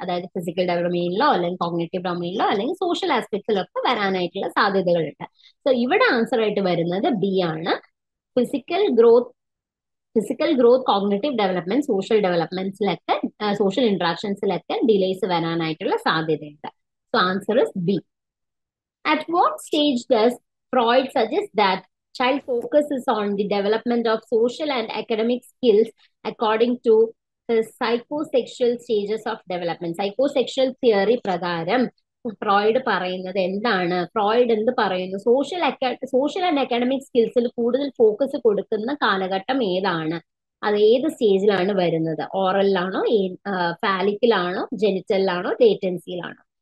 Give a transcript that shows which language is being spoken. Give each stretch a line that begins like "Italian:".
Malayalam: അതായത് ഫിസിക്കൽ ഡൊമെയിനിലോ അല്ലെങ്കിൽ കോഗ്നിറ്റീവ് ഡൊമെയിനിലോ അല്ലെങ്കിൽ സോഷ്യൽ ആസ്പെക്ടിലൊക്കെ വരാനായിട്ടുള്ള സാധ്യതകളുണ്ട്. സോ ഇവിടെ ആൻസർ ആയിട്ട് വരുന്നത് ബി ആണ്. Physical growth, cognitive development, social ഡെവലപ്മെന്റ്സിലൊക്കെ, social ഇന്ററാക്ഷൻസിലൊക്കെ delays വരാനായിട്ടുള്ള സാധ്യതയുണ്ട്.
English: So answer is B. At what stage does Freud suggest that child focuses on the development of social and academic skills according to the psychosexual stages of development?
Malayalam: Psychosexual theory പ്രകാരം Freud പറയുന്നത് എന്താണ്? Freud എന്ത് പറയുന്നു? Social and academic സ്കിൽസിൽ കൂടുതൽ focus കൊടുക്കുന്ന കാലഘട്ടം ഏതാണ്? അത് ഏത് സ്റ്റേജിലാണ് വരുന്നത്? ഓറലിലാണോ, ഫാലിക്കിലാണോ, ജെനിറ്റലിലാണോ, ലേറ്റൻസിയിലാണോ?